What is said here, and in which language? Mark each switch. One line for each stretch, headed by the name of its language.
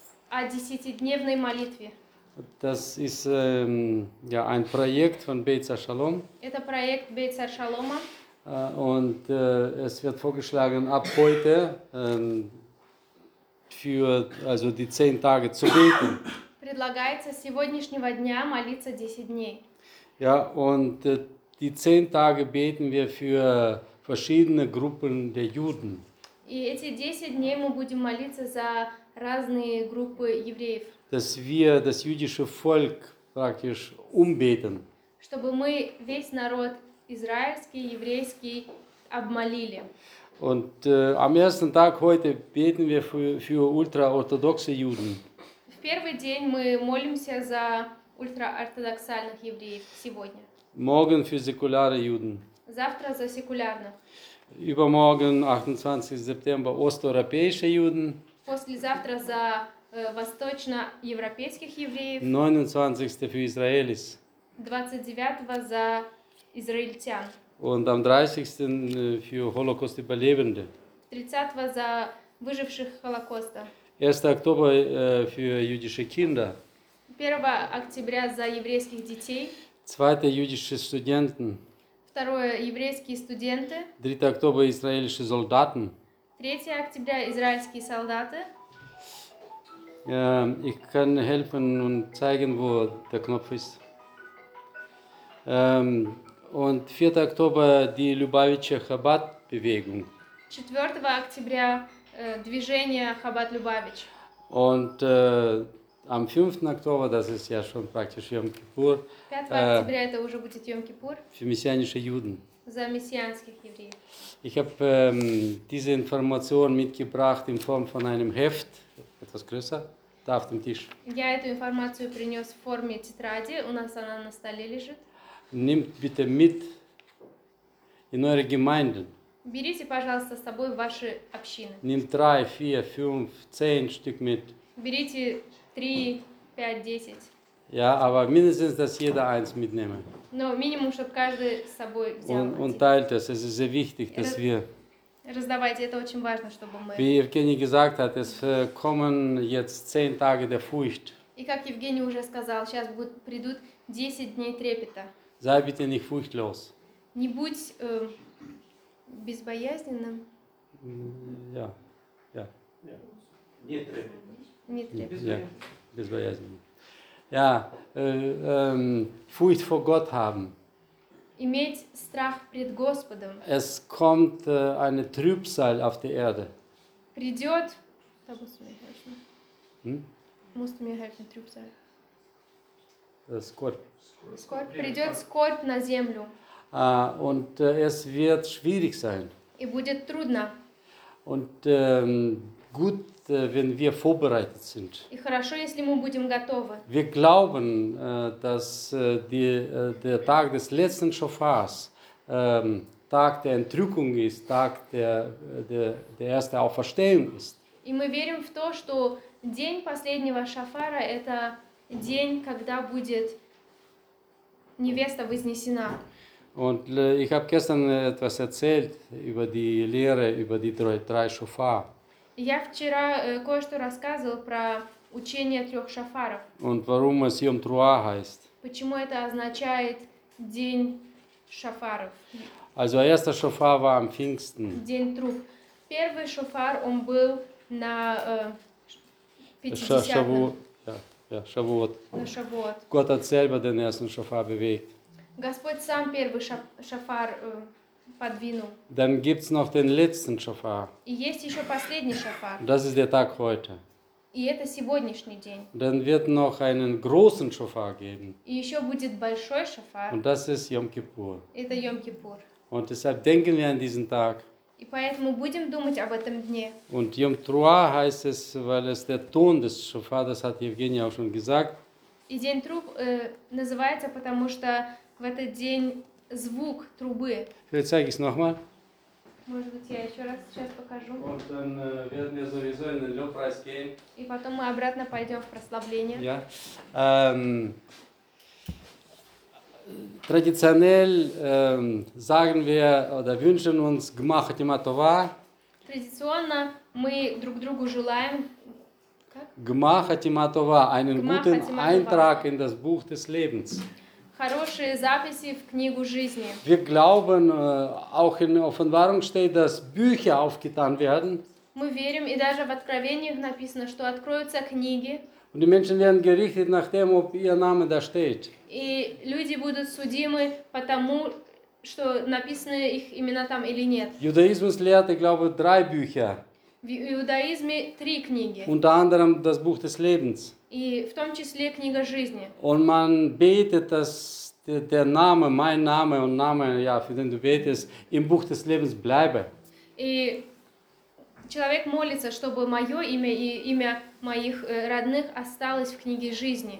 Russian: О 10-дневной молитве.
German: Das ist ja ein Projekt von Beit Shalom.
Russian: Это проект Beit Shalom.
German: Und es wird vorgeschlagen ab heute für also die 10 Tage zu beten.
Russian: Предлагается с сегодняшнего дня молиться 10 дней.
German: Ja, und die 10 Tage beten wir für verschiedene Gruppen der Juden.
Russian: И эти 10 дней мы будем молиться за разные группы евреев.
German: Dass wir das jüdische Volk praktisch umbeten.
Russian: Чтобы мы весь народ израильский, еврейский обмолили.
German: Und am ersten Tag heute beten wir für ultraorthodoxe Juden.
Russian: В первый день мы молимся за ультраортодоксальных евреев сегодня.
German: Morgen für säkulare Juden.
Russian: Завтра за секулярных.
German: Übermorgen, 28. September, osteuropäische Juden.
Russian: Послезавтра за восточноевропейских евреев.
German: 29. Für Israelis.
Russian: 29. За израильтян.
German: Und am 30. Für Holocaust-Überlebende.
Russian: 30. За выживших Холокоста. 1. Октября
German: für jüdische Kinder. 1.
Russian: Октября за еврейских детей.
German: 2. Jüdische Studenten.
Russian: 2. Еврейские студенты. 3. Октября израильские солдаты. 3. Октября израильские солдаты.
German: Ich kann helfen und zeigen, wo der Knopf ist. Und 4.
Russian: Октября
German: die Lubavitcher Chabad Bewegung. 4.
Russian: Октября движение Хабад Любавич.
German: Und am 5. Oktober, das ist ja schon praktisch Yom Kippur. 5.
Russian: Октября это уже будет Йом Кипур.
German: Für messianische Juden.
Russian: За мессианских евреев.
German: Ich habe diese Information mitgebracht in Form von einem Heft, etwas größer, da auf dem Tisch.
Russian: Я эту информацию принес в форме тетради, у нас она на столе лежит.
German: Nehmt bitte mit in eure Gemeinden.
Russian: Берите, пожалуйста, с собой ваши общины.
German: Nimm 3, 4, 5, 10 Stück mit.
Russian: Берите 3, 5, 10.
German: Ja, aber mindestens, dass jeder eins mitnehme.
Russian: Но минимум, чтобы каждый с собой взял.
German: Und teilt es, es ist sehr wichtig, dass wir...
Russian: Раздавайте, это очень важно, чтобы мы...
German: Wie Евгений gesagt hat, es kommen jetzt 10 Tage der Furcht.
Russian: И как Евгений уже сказал, сейчас придут 10 дней трепета.
German: Sei bitte nicht furchtlos.
Russian: Не будь... безбоязненным. Я. Я. Нет. Безбоязненным. Я.
German: Furcht vor Gott haben.
Russian: Иметь страх пред Господом.
German: Es kommt eine Trübsal auf die Erde.
Russian: Придет.
German: Da musst du mir helfen. Musst du mir helfen, Trübsal.
Russian: Скорбь. Придет скорбь на землю.
German: Und es wird schwierig sein.
Russian: И будет трудно.
German: Und gut, wenn wir vorbereitet sind.
Russian: И хорошо, если мы будем готовы.
German: Wir glauben, dass der Tag des letzten Schofars Tag der Entrückung ist, Tag der erste Auferstehung ist.
Russian: И мы верим в то, что день последнего Шофара – это день, когда будет невеста вознесена.
German: Und ich habe gestern etwas erzählt über die Lehre, über die drei Schofar.
Russian: Я вчера кое-что рассказывал про учение трех шофаров.
German: Und warum es Yom Teruah heißt.
Russian: Почему это означает день шофаров?
German: Also erster Schofar war am Pfingsten.
Russian: День труб. Первый шофар, он был на Шавуот.
German: Gott hat selber den ersten Schofar bewegt.
Russian: Господь сам первый шофар подвинул.
German: Dann gibt's noch den letzten Schofar.
Russian: И есть еще последний шофар.
German: Das ist der Tag heute.
Russian: И это сегодняшний день.
German: Dann wird noch einen großen Schofar geben.
Russian: И еще будет большой шофар.
German: Und das ist Yom Kippur.
Russian: Это Йом Кипур.
German: Und deshalb denken wir an diesen Tag.
Russian: И поэтому будем думать об этом дне.
German: Und Yom Teruah heißt es, weil es der Ton des Shofar, das hat Евгения auch schon gesagt.
Russian: И день труб называется, потому что в этот день звук трубы.
German: Jetzt zeige ich es nochmal.
Russian: Может быть, я еще раз сейчас покажу.
German: Und dann werden wir sowieso in den Lobpreis gehen.
Russian: И потом мы обратно пойдем в прославление.
German: Ja. Traditionell sagen wir oder wünschen uns Gmach Hatimatova. Traditionell,
Russian: мы друг другу желаем
German: Gmach Hatimatova, einen guten Eintrag in das Buch des Lebens.
Russian: Хорошие записи в книгу жизни.
German: Wir glauben, auch in Offenbarung steht, dass Bücher aufgetan werden.
Russian: Мы верим, и даже в Откровениях написано, что откроются книги.
German: Und die Menschen werden gerichtet nach dem, ob ihr Name da steht.
Russian: И люди будут судимы по тому, что написаны их имена там или нет.
German: Judaismus lehrt, ich glaube, drei Bücher.
Russian: В иудаизме три книги.
German: Unter anderem das Buch des Lebens.
Russian: И в том числе книга жизни.
German: Und man betet, dass der Name, mein Name und Name, ja, für den du betest, im Buch des Lebens bleibe.
Russian: И человек молится, чтобы мое имя и имя моих родных осталось в книге жизни.